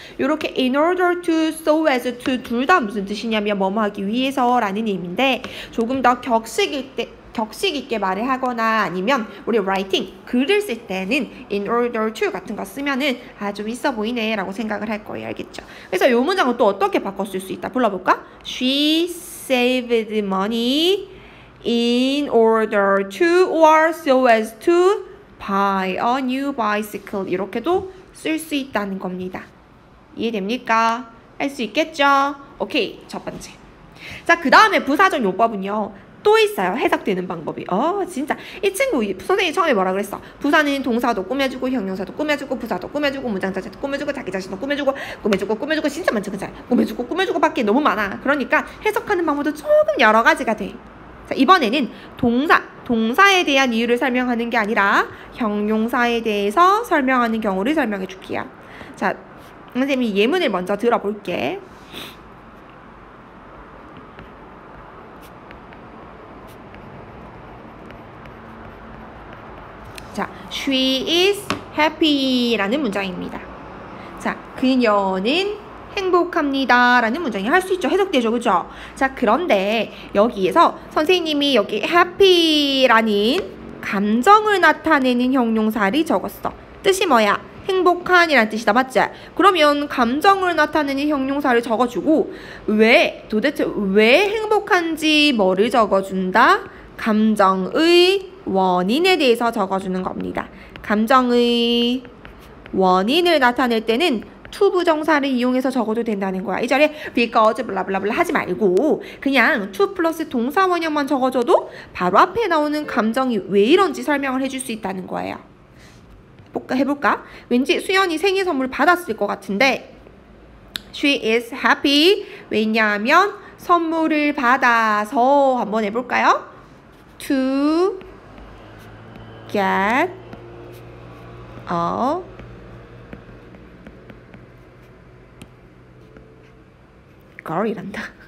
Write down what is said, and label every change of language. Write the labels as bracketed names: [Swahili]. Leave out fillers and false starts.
[Korean] 이렇게 in order to, so as to 둘 다 무슨 뜻이냐면 뭐뭐 하기 위해서라는 의미인데 조금 더 격식 있게 말을 하거나 아니면 우리 writing, 글을 쓸 때는 in order to 같은 거 쓰면은 아, 좀 있어 보이네 라고 생각을 할 거예요. 알겠죠? 그래서 이 문장은 또 어떻게 바꿔 쓸 수 있다 불러볼까? [English] She saved money in order to or so as to buy a new bicycle. [Korean] 이렇게도 쓸 수 있다는 겁니다. 이해됩니까? 할 수 있겠죠? 오케이, 첫 번째. 자, 그 다음에 부사적 용법은요 또 있어요. 해석되는 방법이. 어, 진짜 이 친구 선생님이 처음에 뭐라 그랬어? 부사는 동사도 꾸며주고 형용사도 꾸며주고 부사도 꾸며주고 문장 자체도 꾸며주고 자기 자신도 꾸며주고 진짜 많죠. 그치? 꾸며주고 밖에 너무 많아. 그러니까 해석하는 방법도 조금 여러 가지가 돼. 자, 이번에는 동사에 대한 이유를 설명하는 게 아니라 형용사에 대해서 설명하는 경우를 설명해 줄게요. 자, 선생님이 예문을 먼저 들어볼게. [English] She is happy [Korean] 라는 문장입니다. 자, 그녀는 행복합니다라는 문장이 할 수 있죠. 해석되죠. 그죠? 자, 그런데 여기에서 선생님이 여기 happy라는 감정을 나타내는 형용사를 적었어. 뜻이 뭐야? 행복한이라는 뜻이다. 맞지? 그러면 감정을 나타내는 형용사를 적어주고 왜 도대체 왜 행복한지 뭐를 적어준다? 감정의 원인에 대해서 적어주는 겁니다. 감정의 원인을 나타낼 때는 to 부정사를 이용해서 적어도 된다는 거야. 이 자리에 because 블라블라블라 하지 말고 그냥 to 플러스 동사원형만 적어줘도 바로 앞에 나오는 감정이 왜 이런지 설명을 해줄 수 있다는 거예요. 해볼까? 왠지 수연이 생일 선물 받았을 것 같은데 [English] she is happy. [Korean] 왜냐하면 선물을 받아서. 한번 해볼까요? [English] to get a girl 이란다.